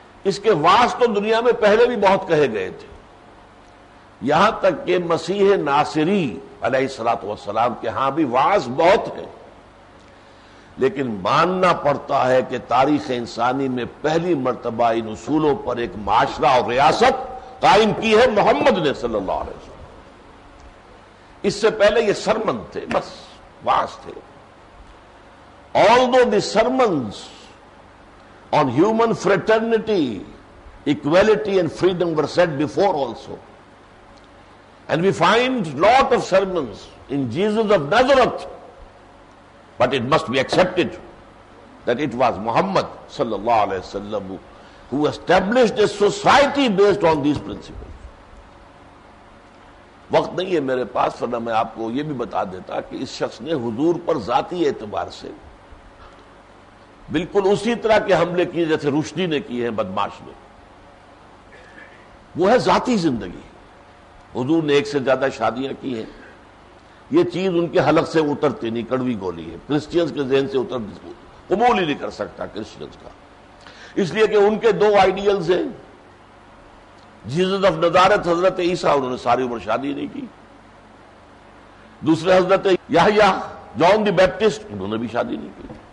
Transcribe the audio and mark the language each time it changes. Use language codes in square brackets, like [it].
[ur] اس کے واسط تو دنیا میں پہلے بھی بہت کہے گئے تھے، یہاں تک کہ مسیح ناصری علیہ الصلوۃ والسلام کے ہاں بھی واعظ بہت ہے، لیکن ماننا پڑتا ہے کہ تاریخ انسانی میں پہلی مرتبہ ان اصولوں پر ایک معاشرہ اور ریاست قائم کی ہے محمد نے صلی اللہ علیہ وسلم، اس سے پہلے یہ سرمن تھے، بس واعظ تھے. [en] Although the sermons on human fraternity, equality and freedom were said before also. And we find lot of sermons in Jesus of Nazareth. But it must be accepted that it was Muhammad sallallahu alayhi wa sallam who established a society based on these principles. [ur] وقت نہیں ہے میرے پاس، ورنہ میں آپ کو یہ بھی بتا دیتا کہ اس شخص نے حضور پر ذاتی اعتبار سے بالکل اسی طرح کے حملے کیے جیسے رشدی نے کیے ہیں بدماش نے. وہ ہے ذاتی زندگی، حضور نے ایک سے زیادہ شادیاں کی ہیں، یہ چیز ان کے حلق سے اترتی نہیں، کڑوی گولی ہے، کرسچینز کے ذہن سے اتر قبول ہی نہیں کر سکتا کرسچینز کا، اس لیے کہ ان کے دو آئیڈیلز ہیں، جیزس آف نظارت حضرت عیسیٰ، انہوں نے ساری عمر شادی نہیں کی، دوسرے حضرت یحییٰ جان دی بیپٹسٹ، انہوں نے بھی شادی نہیں کی.